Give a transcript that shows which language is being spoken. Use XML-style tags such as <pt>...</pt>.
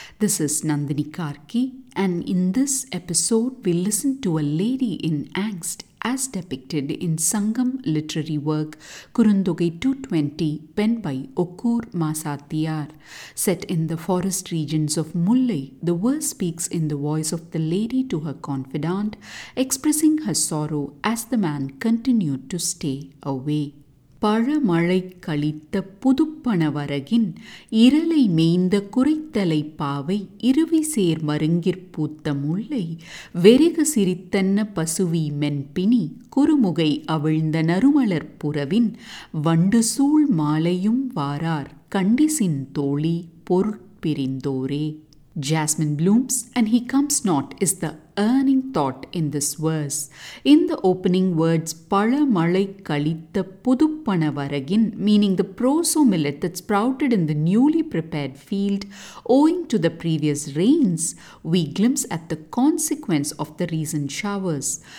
<en>This is Nandini Karki, and in this episode we listen to a lady in angst as depicted in Sangam literary work Kurundogai 220 penned by Okur Masathiyar. Set in the forest regions of Mullai, the verse speaks in the voice of the lady to her confidant, expressing her sorrow as the man continued to stay away.</en> <ta>பழமழை கழித்த புதுப்பணவரகின் இருளை மேய்ந்த குறைத்தலை பாவை இருவி சேர் மருங்கிற்பூத்த முல்லை வெறுகு சிரித்தன்ன பசுவி மென்பினி குறுமுகை அவிழ்ந்த நறுமலர் புறவின் வண்டு சூழ் மாலையும் வாரார் கண்டிசின் தோழி பொருட்பிரிந்தோரே.</ta> <en>Jasmine blooms and he comes not is the earning thought in this verse. In the opening words,</en> <ta>Pala Malai Kalitha Puduppanavaragin,</ta> <en>meaning the proso millet that sprouted in the newly prepared field owing to the previous rains, we glimpse at the consequence of the recent showers.</en>